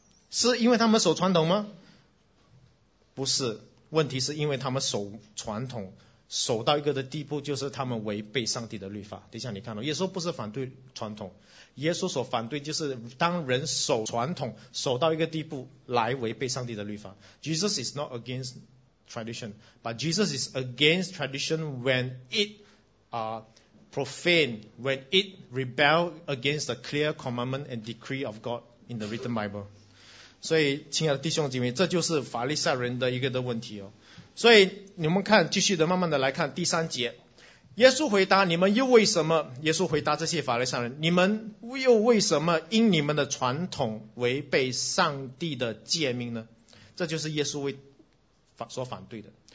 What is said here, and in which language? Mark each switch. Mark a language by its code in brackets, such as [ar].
[zh] 是因为他们守传统吗？不是。问题是因为他们守传统，守到一个的地步，就是他们违背上帝的律法。等一下你看到，耶稣不是反对传统，耶稣所反对就是当人守传统，守到一个地步来违背上帝的律法。 [en] Jesus is not against tradition, but Jesus is against tradition when it profane, when it rebel against the clear commandment and decree of God in the written Bible. [zh] 所以亲爱的弟兄姐妹，这就是法利赛人的一个的问题哦。所以你们看，继续的慢慢的来看第三节，耶稣回答你们又为什么，耶稣回答这些法利赛人，你们又为什么因你们的传统违背上帝的诫命呢？这就是耶稣所反对的。